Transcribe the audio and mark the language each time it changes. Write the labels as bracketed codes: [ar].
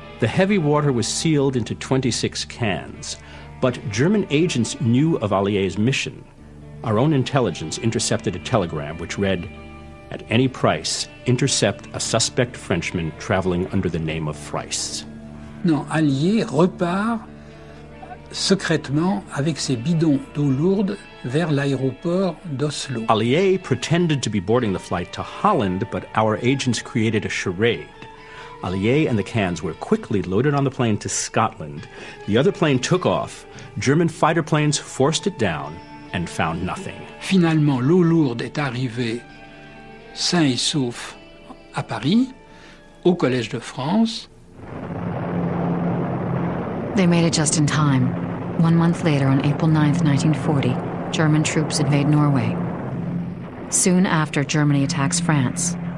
[en] The heavy water was sealed into 26 cans, but German agents knew of Allier's mission. Our own intelligence intercepted a telegram which read, "At any price, intercept a suspect Frenchman traveling under the name of Freiss." [fr] Non, Allier repart secrètement avec ses bidons d'eau lourde vers l'aéroport d'Oslo. [en] Allier pretended to be boarding the flight to Holland, but our agents created a charade. Allier and the cans were quickly loaded on the plane to Scotland. The other plane took off. German fighter planes forced it down and found nothing. [fr] Finalement, l'eau lourde est arrivée sain et sauf à Paris, au Collège de France. [en] They made it just in time. 1 month later, on April 9th, 1940, German troops invade Norway. Soon after, Germany attacks France.